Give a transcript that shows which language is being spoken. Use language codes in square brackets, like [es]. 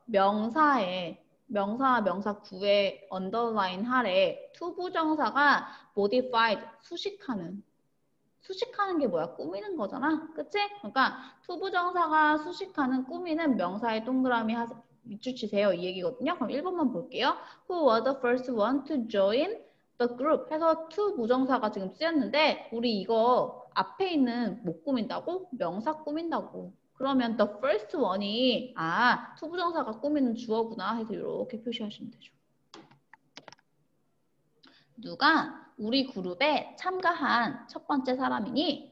[ko] 명사에. 명사, 명사 구에 underline 하래. to 부정사가 modified, 수식하는. 수식하는 게 뭐야? 꾸미는 거잖아. 그치? 그러니까 to 부정사가 수식하는, 꾸미는 명사의 동그라미 밑줄 치세요. 이 얘기거든요. 그럼 1번만 볼게요. [en] Who was the first one to join the group? [ko] 해서 to 부정사가 지금 쓰였는데 우리 이거 앞에 있는 뭐 꾸민다고? 명사 꾸민다고. 그러면 [en] the first one [ko] 이, 아, to 부정사가 꾸미는 주어구나 해서 이렇게 표시하시면 되죠. 누가 우리 그룹에 참가한 첫 번째 사람이니?